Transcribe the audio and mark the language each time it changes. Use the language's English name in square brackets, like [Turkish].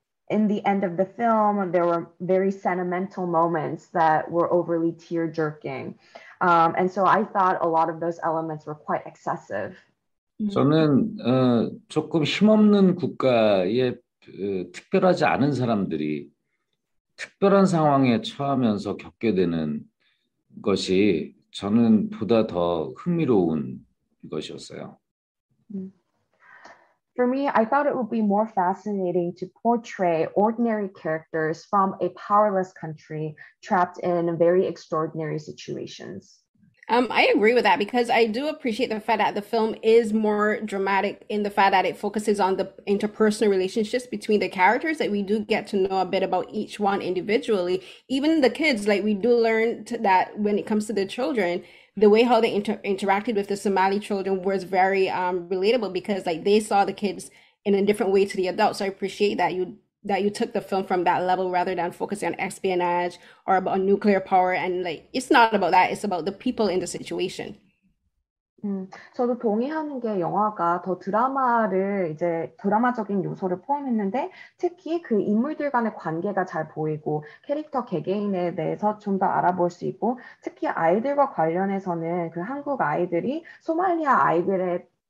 [English] In the end of the film, there were very sentimental moments that were overly tear-jerking. And so I thought a lot of those elements were quite excessive. [Korean] 저는 조금 힘없는 국가에 특별하지 않은 사람들이 특별한 상황에 처하면서 겪게 되는 것이 저는 보다 더 흥미로운 것이었어요. [English] For me, I thought it would be more fascinating to portray ordinary characters from a powerless country trapped in very extraordinary situations. I agree with that because I do appreciate the fact that the film is more dramatic in the fact that it focuses on the interpersonal relationships between the characters, that we do get to know a bit about each one individually. Even the kids, like we do learn that when it comes to the children, the way how they interacted with the Somali children was very relatable because like they saw the kids in a different way to the adults. So I appreciate that you took the film from that level rather than focusing on espionage or about nuclear power. And like it's not about that, it's about the people in the situation. [Korean] 저도 동의하는 게 영화가 더 드라마를 이제 드라마적인 요소를 포함했는데 특히 그 인물들 간의 관계가 잘 보이고 캐릭터 개개인에 대해서 좀더 알아볼 수 있고 특히 아이들과 관련해서는 그 한국 아이들이 소말리아 아이들에게